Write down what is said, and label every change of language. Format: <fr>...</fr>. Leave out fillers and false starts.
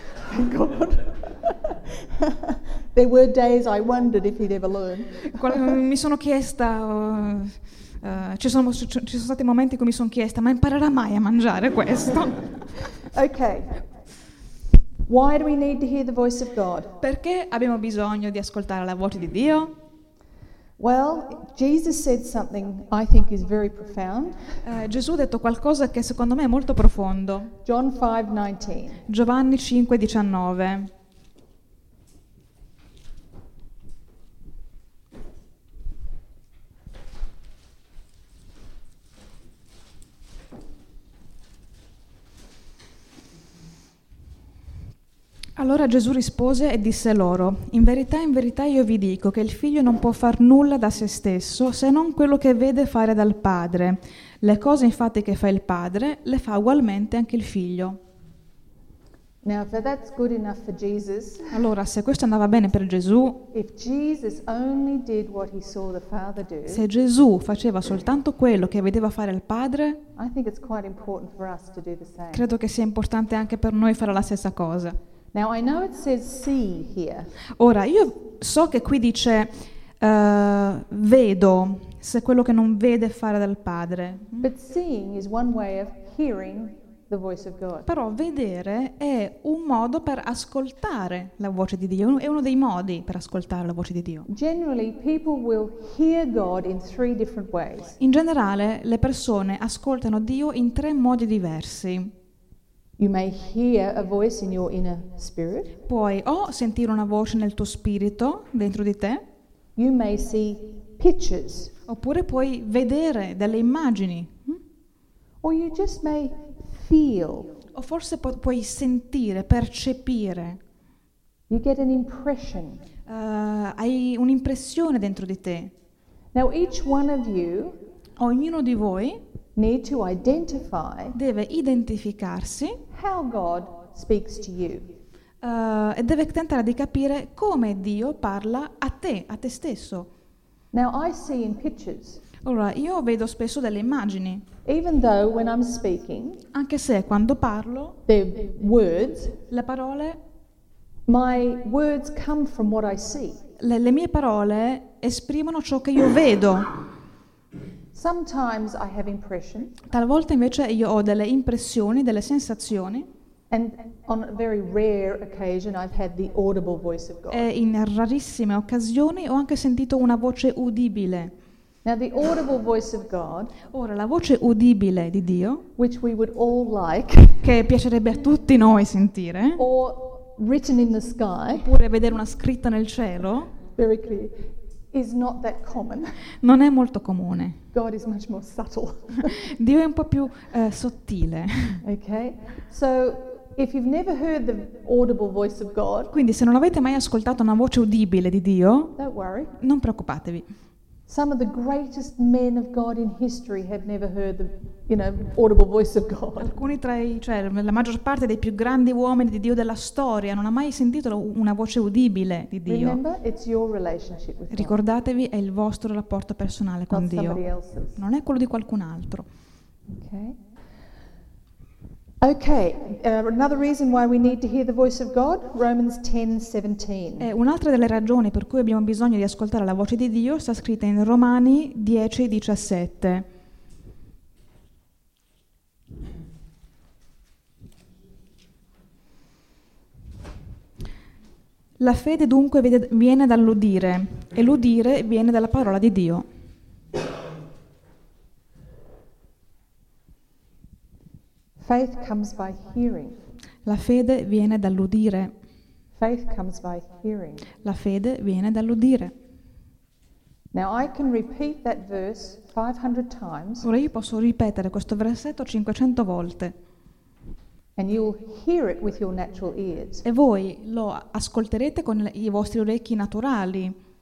<en>Thank God. There were days I wondered if he'd ever learn.</en> <it>Mi sono chiesta, ci sono stati momenti in cui mi sono chiesta, ma imparerà mai a mangiare questo?</it> <en>Okay. Why do we need to hear the voice of God?</en> <it>Perché abbiamo bisogno di ascoltare la voce di Dio?</it> <en>Well, Jesus said something I think is very profound.</en> <it>Gesù ha detto qualcosa che secondo me è molto profondo.</it> <en>John 5:19.</en> <it>Giovanni 5:19. Allora Gesù rispose e disse loro: in verità io vi dico che il figlio non può far nulla da se stesso se non quello che vede fare dal padre. Le cose infatti che fa il padre le fa ugualmente anche il figlio.</it> <en>Now, if that's good enough for Jesus,</en> <it>allora se questo andava bene per Gesù,</it> <en>if Jesus only did what he saw the Father do,</en> <it>se Gesù faceva soltanto quello che vedeva fare il padre,</it> <en>I think it's quite important for us to do the same.</en> <it>Credo che sia importante anche per noi fare la stessa cosa.</it> <en>Now, I know it says see here.</en> <it>Ora, io so che qui dice vedo, se quello che non vede fare dal padre.</it> <en>But seeing is one way of hearing the voice of God.</en> <it>Però vedere è un modo per ascoltare la voce di Dio, è uno dei modi per ascoltare la voce di Dio.</it> <en>Generally, people will hear God in three different ways.</en> <it>In generale, le persone ascoltano Dio in tre modi diversi.</it> <en>You may hear a voice in your inner spirit.</en> <it>Puoi o sentire una voce nel tuo spirito, dentro di te.</it> <en>You may see pictures.</en> <it>Oppure puoi vedere delle immagini.</it> <en>Or you just may feel.</en> <it>O forse puoi sentire, percepire.</it> <en>You get an impression.</en> <it>Hai un'impressione dentro di te.</it> <en>Now each one of you,</en> <it>ognuno di voi,</it> <en>need to identify,</en> <it>deve identificarsi,</it> <en>how God speaks to you.</en> <it>E deve tentare di capire come Dio parla a te stesso.</it> <en>Now I see in pictures.</en> <it>Ora, io vedo spesso delle immagini.</it> <en>Even though when I'm speaking,</en> <it>anche se quando parlo,</it> <en>the words,</en> <it>le parole,</it> <en>my words come from what I see.</en> <it>Le mie parole esprimono ciò che io vedo.</it> <en>Sometimes I have impressions.</en> <it>Talvolta invece io ho delle impressioni, delle sensazioni.</it> <en>And on a very rare occasion I've had the audible voice of God.</en> <it>E in rarissime occasioni ho anche sentito una voce udibile.</it> <en>Now the audible voice of God,</en> <it>ora la voce udibile di Dio,</it> <en>which we would all like,</en> <it>che piacerebbe a tutti noi sentire,</it> <en>or written in the sky,</en> <it>oppure vedere una scritta nel cielo,</it> <en>very clear, is not that common.</en> <it>Non è molto comune.</it> <en>God is much more subtle.</en> <it>Dio è un po' più sottile.</it> <en>Okay, so if you've never heard the audible voice of God,</en> <it>quindi se non avete mai ascoltato una voce udibile di Dio,</it> <en>don't worry,</en> <it>non preoccupatevi.</it> <en>Some of the greatest men of God in history have never heard the, you know, audible voice of God.</en> <it>Alcuni tra i, cioè la maggior parte dei più grandi uomini di Dio della storia non ha mai sentito una voce udibile di Dio.</it> <en>Remember, it's your relationship with God.</en> <it>Ricordatevi, è il vostro rapporto personale con Dio.</it> <en>Not somebody else's.</en> <it>Non è quello di qualcun altro.</it> <en>Okay. Okay, another reason why we need to hear the voice of God, Romans 10:17.</en> <it>E un'altra delle ragioni per cui abbiamo bisogno di ascoltare la voce di Dio sta scritta in Romani 10:17. La fede dunque viene dall'udire, e l'udire viene dalla parola di Dio.</it> <en>Faith comes by hearing.</en> <it>La fede viene dall'udire.</it> <en>Faith comes by hearing.</en> <it>La fede viene dall'udire.</it> <en>Now I can repeat that verse 500 times.</en> <it>Ora io posso ripetere questo versetto 500 volte.</it> <en>And you'll hear it with your natural ears.</en> <it>E voi lo ascolterete con i vostri orecchi naturali.</it>